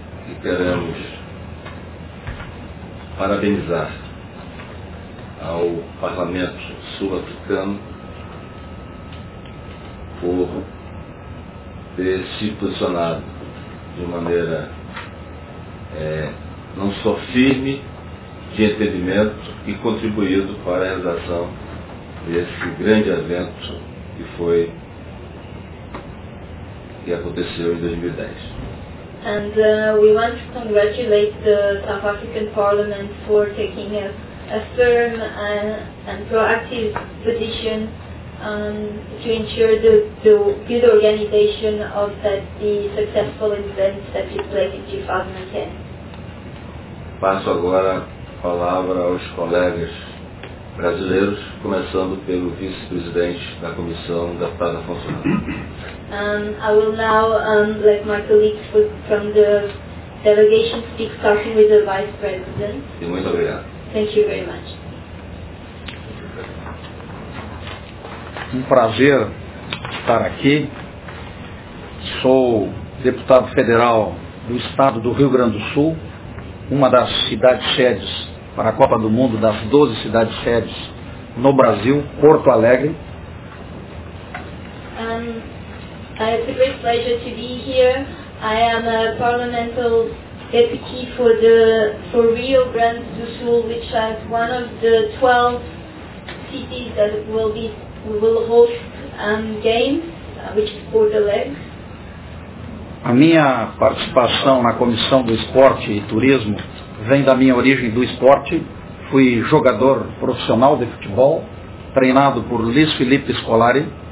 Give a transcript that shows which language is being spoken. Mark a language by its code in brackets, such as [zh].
[pt] E queremos parabenizar ao Parlamento Sul-Africano por ter se posicionado de maneira não só firme de entendimento e contribuído para a realização desse grande evento que aconteceu em 2010. [en] And we want to congratulate the South African Parliament for taking a firm and proactive position to ensure the good organization of the successful event that took place in 2010. [pt] Passo agora a palavra aos colegas brasileiros, começando pelo vice-presidente da comissão, deputado Afonso Neto. [en] I will now let my colleagues from the delegation speak, starting with the vice president. [pt] E muito obrigado. [en] Thank you very much. [pt] Um prazer estar aqui. Sou deputado federal do estado do Rio Grande do Sul, uma das cidades-sedes para a Copa do Mundo, das 12 cidades-sedes no Brasil, Porto Alegre. [en] It's a great pleasure to be here. I am a parliamentary deputy for Rio Grande do Sul, which is one of the 12 cities that will host games, which is Porto Alegre. [pt] A minha participação na Comissão do Esporte e Turismo vem da minha origem do esporte. Fui jogador profissional de futebol, treinado por Luiz Felipe Scolari.